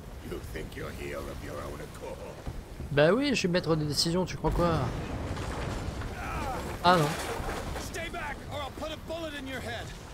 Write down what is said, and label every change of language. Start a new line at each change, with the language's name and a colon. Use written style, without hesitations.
English: You think you're healed of your own accord?
French: Bah oui, je suis maître des décisions, tu crois quoi? Ah non.
English: Stay back or I'll put a bullet in your head.